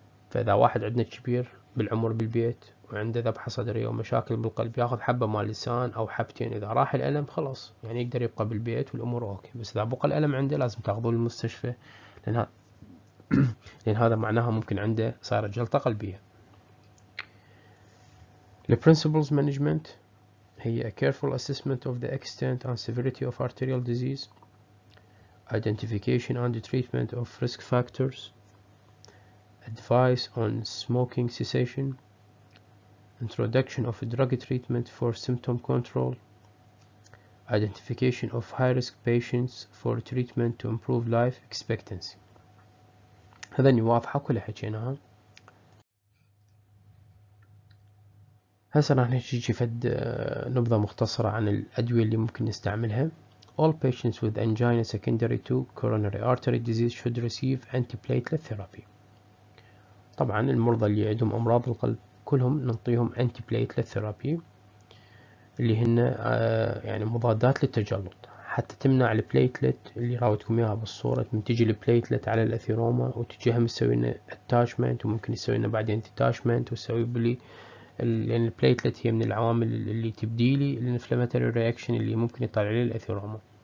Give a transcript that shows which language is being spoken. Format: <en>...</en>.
<ar>فاذا واحد عندنا كبير بالعمر بالبيت وعنده ذبحه صدريه ومشاكل بالقلب، ياخذ حبه مال لسان او حبتين، اذا راح الالم خلاص يعني يقدر يبقى بالبيت والامور اوكي، بس اذا بقى الالم عنده لازم تاخذوه للمستشفى، لان هذا معناها ممكن عنده صار جلطة قلبية.</ar> <en>The principles management هي a careful assessment of the extent and severity of arterial disease, identification and the treatment of risk factors, advice on smoking cessation, introduction of a drug treatment for symptom control, identification of high risk patients for treatment to improve life expectancy.</en> <ar>هذني واضحة كل حكيناها. هسه راح نحكي فد نبذة مختصرة عن الأدوية اللي ممكن نستعملها.</ar> <en>All patients with angina secondary to coronary artery disease should receive antiplatelet therapy.</en> <ar>طبعا المرضى اللي عندهم امراض القلب كلهم نعطيهم انتي بليتلت ثيرابي اللي هن يعني مضادات للتجلط حتى تمنع البليتلت اللي راويتكم اياها بالصورة من تجي البليتلت على الاثيروما وتجيها مسوي لنا اتاشمنت وممكن يسوي لنا بعدين ديتاشمنت وتسوي بلي لان البليتلت هي من العوامل اللي تبدي لي الانفلاماتوري رياكشن اللي ممكن يطلع لي الاثيروما.</ar>